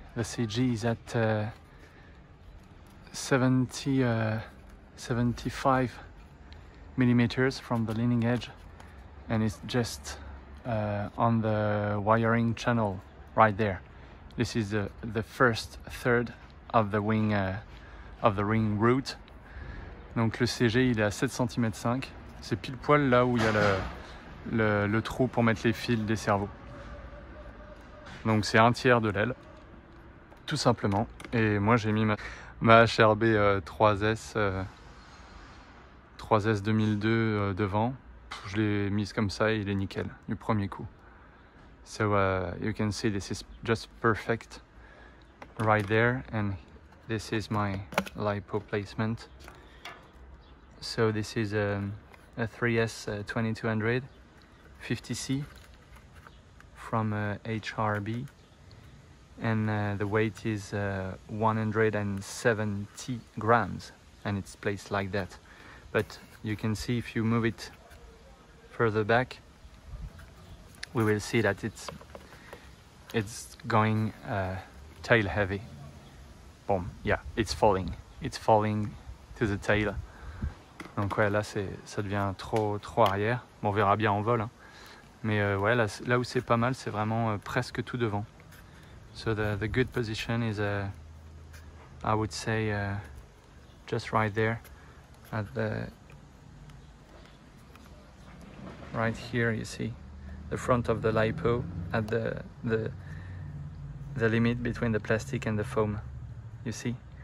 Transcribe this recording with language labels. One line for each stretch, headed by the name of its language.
English: The CG is at 75 millimeters from the leaning edge, and it's just on the wiring channel right there. This is the first third of the wing of the ring root.
French: Donc le CG il est à 7,5 cm. C'est pile poil là où il y a le trou pour mettre les fils des servos. Donc c'est un tiers de l'aile, tout simplement. Et moi j'ai mis ma HRB 3S 2002 devant. Je l'ai mise comme ça et il est nickel du premier coup.
English: So you can see this is just perfect right there, and this is my LiPo placement. So this is a 3S 2200 50C from HRB, and the weight is 170 grams, and it's placed like that. But you can see if you move it further back, we will see that it's going tail heavy. Boom, yeah, it's falling to the tail.
French: Donc ouais, là c'est ça devient trop arrière. Bon, on verra bien en vol, hein. Mais ouais, là où c'est pas mal, c'est vraiment presque tout devant.
English: So the good position is, I would say, just right there. Right here, you see, the front of the LiPo at the limit between the plastic and the foam, you see?